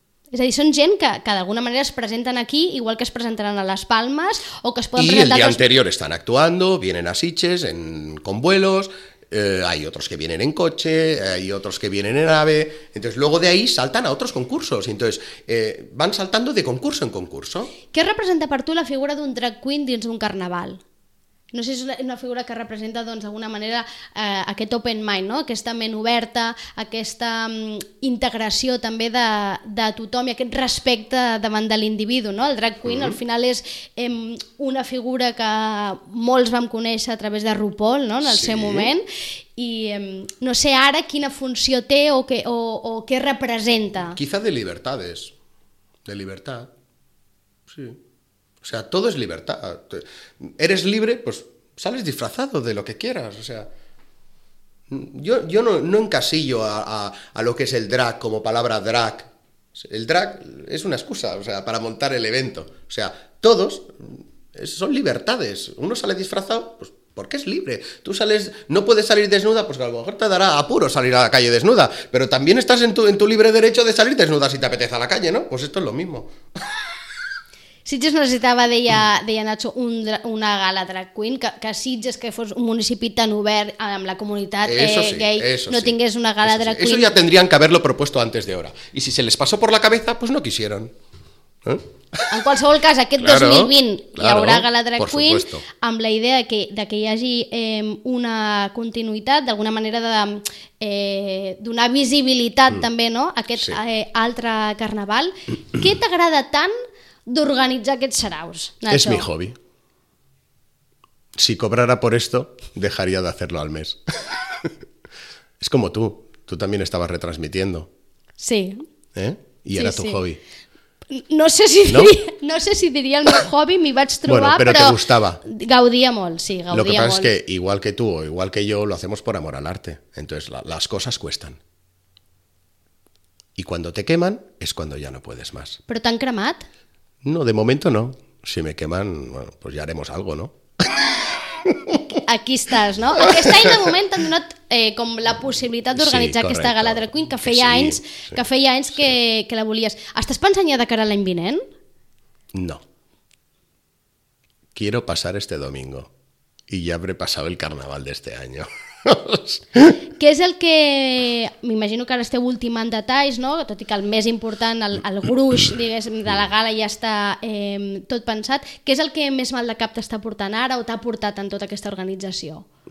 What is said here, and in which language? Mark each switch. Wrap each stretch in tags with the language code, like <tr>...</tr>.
<ca>És a dir, són gent que d'alguna manera es presenten aquí, igual que es presentaran a Les Palmes, o que es poden presentar... I el dia anterior estan</ca> <es>actuando, vienen a Sitges con vuelos, hay otros que vienen en coche, hay otros que vienen en AVE, entonces luego de ahí saltan a otros concursos, entonces van saltando de concurso en concurso.</es> <ca>¿Qué representa per tu la figura d'un drag queen dins d'un carnaval? No sé si és una figura que representa d'alguna manera aquest</ca> <en>open mind,</en> <ca>no? Aquesta ment oberta, aquesta integració també de tothom i aquest respecte davant de l'individu, no? El drag queen al final és una figura que molts vam conèixer a través de RuPaul, no? En el seu moment, i no sé ara quina funció té o què representa.</ca> <es>Quizá de libertades, de libertad, sí. O sea, todo es libertad. Eres libre, pues sales disfrazado de lo que quieras. O sea, Yo no encasillo a lo que es el drag como palabra drag. El drag es una excusa, o sea, para montar el evento. O sea, todos son libertades. Uno sale disfrazado, pues porque es libre. Tú sales, no puedes salir desnuda, pues a lo mejor te dará apuro salir a la calle desnuda. Pero también estás en tu libre derecho de salir desnuda si te apetece a la calle, ¿no? Pues esto es lo mismo.</es> <ca>Sitges necessitava, deia Nacho, una gala drag queen, que Sitges, que fos un municipi tan obert amb la comunitat gay, no tingués una gala drag queen.</ca> <es>Eso ya tendrían que haberlo propuesto antes de hora. Y si se les pasó por la cabeza, pues no quisieron. ¿Eh?</es> <ca>En qualsevol cas, aquest 2020 hi haurà gala drag queen, amb la idea que hi hagi una continuïtat, d'alguna manera de donar visibilitat també, no? Aquest altre carnaval. Què t'agrada tant d'organitzar aquests saraus, Nacho? És</ca> <es>mi hobby. Si cobrara por esto, dejaría de hacerlo al mes. Es como tú. Tú también estabas retransmitiendo. Sí. ¿Eh? Y sí, era tu hobby. No sé si, ¿no?</es> <ca>diria el meu hobby, m'hi vaig trobar, però</ca> <es>te gustava.</es> <ca>Gaudia molt, sí, gaudia molt.</ca> <es>Lo que pasa es que, igual que tú o igual que yo, lo hacemos por amor al arte. Entonces, las cosas cuestan. Y cuando te queman, es cuando ya no puedes más.</es> <ca>Però t'han cremat?</ca> <es>No, de momento no. Si me queman, bueno, pues ya haremos algo, ¿no?</es> <ca>Aquí estàs, no? Aquest any, de moment, t'han donat com la possibilitat d'organitzar aquesta gala drag queen que feia anys que la volies. Estàs pensant ja de cara a l'any vinent?</ca> <es>No. Quiero pasar este domingo. Y ya habré pasado el carnaval de este año.</es> <ca>Què és el que... M'imagino que ara esteu ultimant detalls, no? Tot i que el més important, el gruix, diguéssim, de la gala ja està tot pensat. Què és el que més mal de cap t'està portant ara o t'ha portat en tota aquesta organització?</ca>